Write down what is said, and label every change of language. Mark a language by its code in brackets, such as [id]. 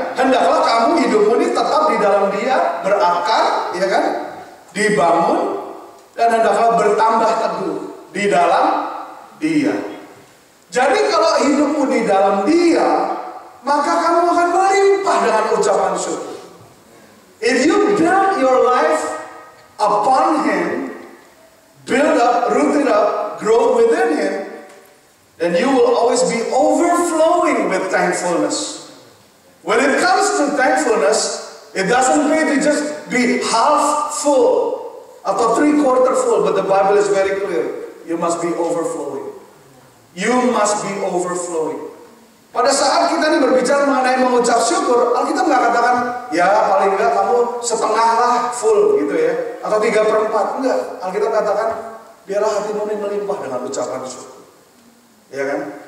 [id] Hendaklah kamu hidupmu ini tetap di dalam Dia, berakar, ya kan? Dibangun, dan hendaklah bertambah teguh di dalam Dia. Jadi kalau hidupmu di dalam Dia, maka kamu akan melimpah dengan ucapan syukur. [en] If you build your life upon Him, build up, root it up, grow within Him, then you will always be overflowing with thankfulness. When it comes to thankfulness, it doesn't mean to just be half full atau three quarter full, but the Bible is very clear. You must be overflowing. You must be overflowing. [id] Pada saat kita ini berbicara mengenai mengucap syukur, Alkitab nggak katakan, ya paling nggak kamu setengah lah full gitu ya, atau 3/4. Enggak, Alkitab katakan, biarlah hatimu ini melimpah dengan ucapan syukur. Ya kan?